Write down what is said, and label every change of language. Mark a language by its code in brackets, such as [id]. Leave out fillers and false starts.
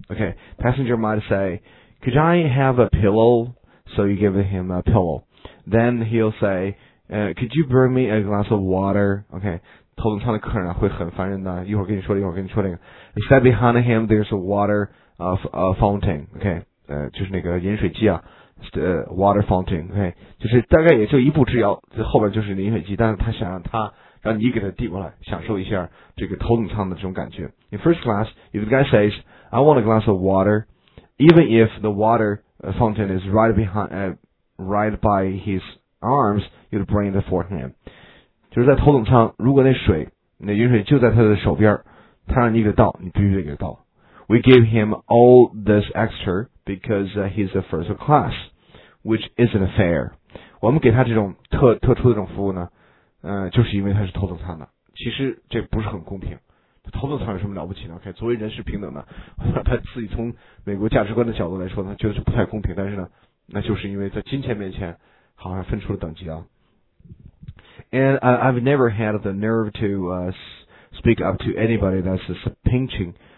[en] Okay, passenger might say, "Could I have a pillow?" So you give him a pillow. Then he'll say, "Could you bring me a glass of water?" [zh] Okay, 头等舱的客人会很烦人的，一会儿跟你说，一会儿跟你说那个。 [en] He said behind him there's a water fountain. [zh] Okay, 就是那个饮水机啊。Water fountain， OK， 就是大概也就一步之遥，后边就是饮水机，但是他想让他让你给他递过来，享受一下这个头等舱的这种感觉。 [en] In first class, if the guy says, "I want a glass of water," even if the water fountain is right behind, right by his arms, you'd bring it for him. [zh] 就是在头等舱，如果那水那饮水就在他的手边，他让你给他倒，你必须得给他倒。 [en] We give him all this extra because he's a first class, which isn't fair. [zh] 我们给他这种特殊的这种服务呢，就是因为他是头等舱的。其实这不是很公平。头等舱有什么了不起呢？ OK， 作为人是平等的。他自己从美国价值观的角度来说呢，觉得是不太公平。但是呢，那就是因为在金钱面前，好像分出了等级啊。 [en] And I've never had the nerve to speak up to anybody that's pinching.